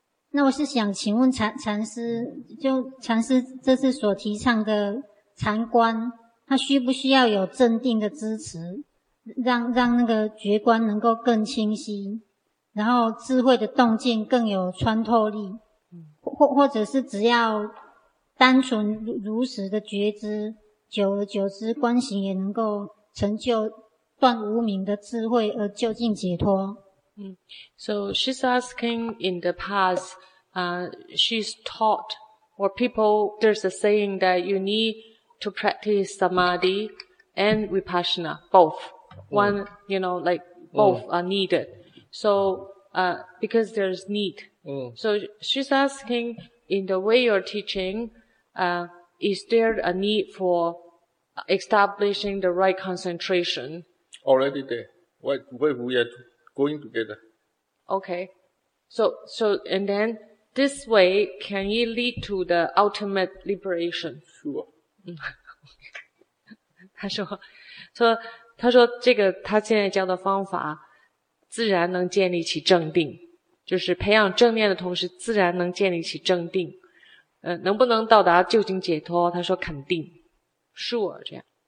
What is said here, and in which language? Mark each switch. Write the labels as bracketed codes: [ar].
[zh] 那我是想请问禅师，就禅师这次所提倡的禅观，它需不需要有镇定的支持，让那个觉观能够更清晰，然后智慧的动静更有穿透力，或者是只要单纯如实的觉知，久而久之观行也能够成就断无明的智慧而究竟解脱。 [en] So she's asking in the past, she's taught, or people, there's a saying that you need to practice samadhi and vipassana, both. One, you know, like both are needed. So, because there's need. So she's asking, in the way you're teaching, is there a need for establishing the right concentration? Already there. What we are going together. Okay. So, and then this way, can it lead to the ultimate liberation? Sure. [zh] 他说这个他现在教的方法自然能建立起正定，就是培养正念的同时自然能建立起正定，能不能到达究竟解脱，他说肯定 [en] sure [zh] 这样。